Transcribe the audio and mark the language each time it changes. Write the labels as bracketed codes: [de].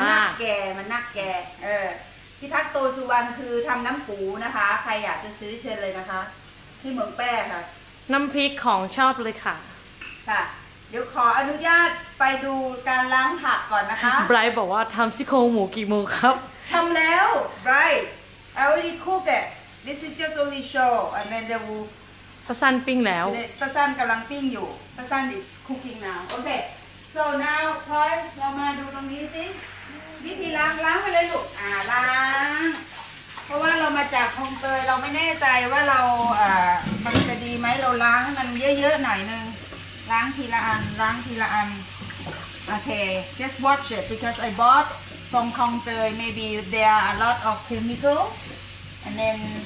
[th] แต่มันน่าแกมันน่าแกเออพี่ทักโตสุวรรณคือทำน้ำปูนะคะใครอยากจะซื้อเชิญเลยนะคะที่เมืองแป้ค่ะ น้ำพริกของชอบเลยค่ะ ค่ะเดี๋ยวขออนุญาตไปดูการล้างผักก่อนนะคะ ไบรท์บอกว่าทำซี่โครงหมูกี่โมงครับ ทำแล้วไบรท์ [en] I already cook it this is just only show and then they will [th] ปะซันปิ้งแล้ว ปะซันกำลังปิ้งอยู่ปะซัน [en] is cooking now okay so now [th] พลอยเรามาดูตรงนี้สิวิธีล้างไปเลยลูกล้างเพราะว่าเรามาจากคลองเตยเราไม่แน่ใจว่าเรา มันจะดีไหมเราล้างให้มันเยอะๆหน่อยนึงล้างทีละอันโอเค [en] just watch it because I bought from คลองเตย maybe there are a lot of chemical and then